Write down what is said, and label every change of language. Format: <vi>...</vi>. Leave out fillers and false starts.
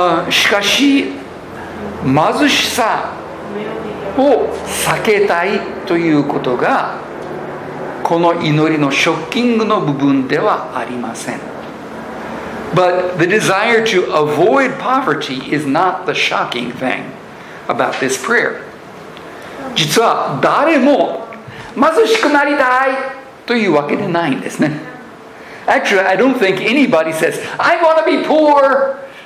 <ja>しかし、貧しさを避けたいということが、この祈りのショッキングの部分ではありません。</ja> <en>But the desire to avoid poverty is not the shocking thing. About this prayer.</en> <ja>実は誰も貧しくなりたいというわけでないんですね。</ja> <en>Actually, I don't think anybody says I want to be poor.</en>